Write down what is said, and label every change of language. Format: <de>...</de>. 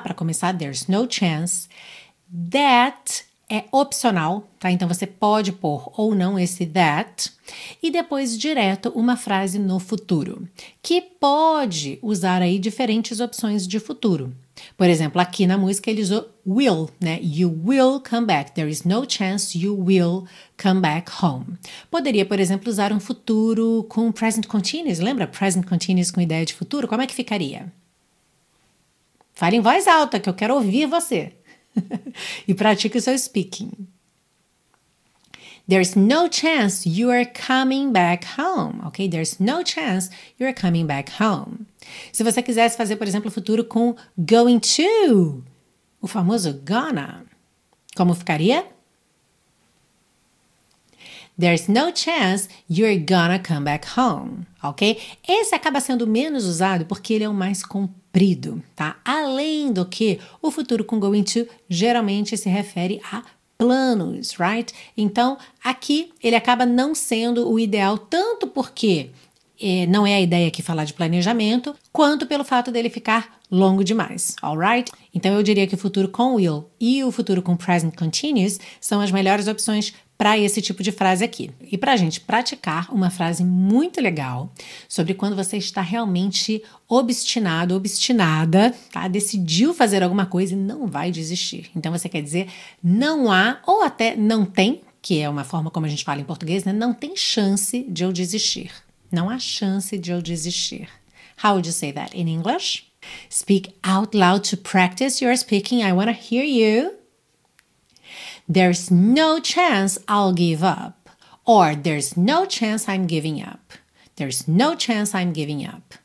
<pt>Para começar,</pt> <en>there's no chance.</en> <pt>That é opcional, tá? Então, você pode pôr ou não esse that. E depois, direto, uma frase no futuro, que pode usar aí diferentes opções de futuro. Por exemplo, aqui na música ele usou will, né?</pt> <en>You will come back. There is no chance you will come back home.</en> <pt>Poderia, por exemplo, usar um futuro com present continuous. Lembra? Present continuous com ideia de futuro. Como é que ficaria? Fale em voz alta, que eu quero ouvir você. E pratique o seu speaking.</pt> <en>There's no chance you are coming back home. Ok? There's no chance you are coming back home.</en> <pt>Se você quisesse fazer, por exemplo, o futuro com going to, o famoso gonna, como ficaria?</pt> <en>There's no chance you're gonna come back home, ok?</en> <pt>Esse acaba sendo menos usado porque ele é o mais comprido, tá? Além do que, o futuro com going to geralmente se refere a planos,</pt> <en>right?</en> <pt>Então, aqui ele acaba não sendo o ideal, tanto porque não é a ideia aqui falar de planejamento, quanto pelo fato dele ficar longo demais,</pt> <en>alright?</en> <pt>Então, eu diria que o futuro com will e o futuro com present continuous são as melhores opções para esse tipo de frase aqui. E para a gente praticar uma frase muito legal sobre quando você está realmente obstinado, obstinada, tá? Decidiu fazer alguma coisa e não vai desistir. Então, você quer dizer não há ou até não tem, que é uma forma como a gente fala em português, né? Não tem chance de eu desistir. Não há chance de eu desistir.</pt> <en>How would you say that in English? Speak out loud to practice your speaking. I want to hear you. There's no chance I'll give up. Or there's no chance I'm giving up. There's no chance I'm giving up.</en>